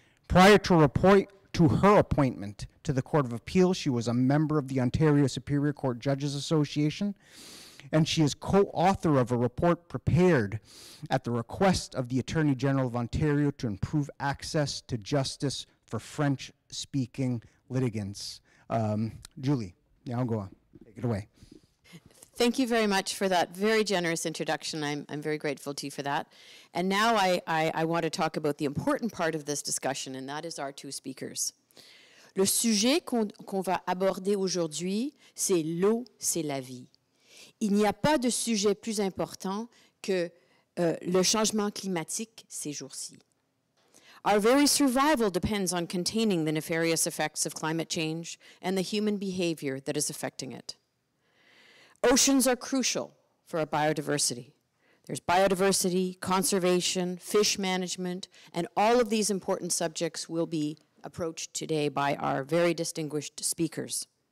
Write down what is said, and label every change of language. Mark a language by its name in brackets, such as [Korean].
[English] Prior to her appointment to the Court of Appeal, she was a member of the Ontario Superior Court Judges Association, and she is co-author of a report prepared at the request of the Attorney General of Ontario to improve access to justice for French-speaking litigants. Julie, now go on, take it away. Thank you very much for that very generous introduction. I'm very grateful to you for that. And now I want to talk about the important part of this discussion, and that is our two speakers. [French] Le sujet qu'on va aborder aujourd'hui, c'est l'eau, c'est la vie. Il n'y a pas de sujet plus important que le changement climatique ces jours-ci. [English] Our very survival depends on containing the nefarious effects of climate change and the human behavior that is affecting it. Oceans are crucial for our biodiversity. There's biodiversity, conservation, fish management, and all of these important subjects will be approached today by our very distinguished speakers.